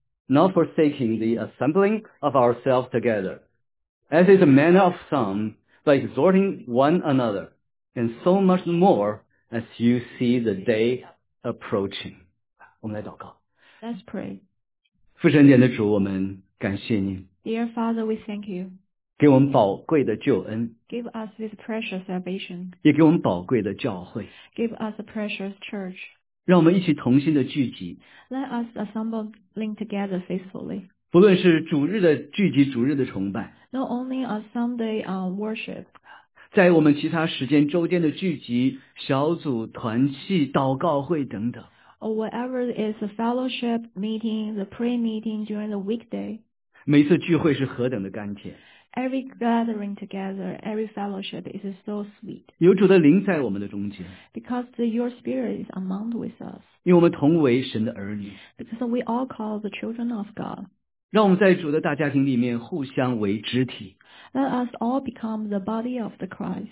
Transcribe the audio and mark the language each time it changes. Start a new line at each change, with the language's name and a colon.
English: Not forsaking the assembling of ourselves together, as is the manner of some, but exhorting one another, and so much more as you see the day approaching.
Chinese: 我们来祷告。
English: Let's pray.
Chinese: 父神殿的主，我们感谢您。
English: Dear Father, we thank you.
Chinese: 给我们宝贵的救恩。
English: Give us this precious salvation.
Chinese: 也给我们宝贵的教会。
English: Give us a precious church.
Chinese: 让我们一起同心的聚集。
English: Let us assemble together faithfully.
Chinese: 不论是主日的聚集，主日的崇拜。
English: Not only a Sunday worship.
Chinese: 在我们其他时间周间的聚集，小组、团契、祷告会等等。
English: Or whatever is the fellowship meeting, the prayer meeting during the weekday.
Chinese: 每次聚会是何等的甘甜。
English: Every gathering together, every fellowship is so sweet.
Chinese: 有主的灵在我们的中间。
English: Because your spirit is among with us.
Chinese: 因为我们同为神的儿女。
English: Because we all call the children of God.
Chinese: 让我们在主的大家庭里面互相为肢体。
English: Let us all become the body of the Christ.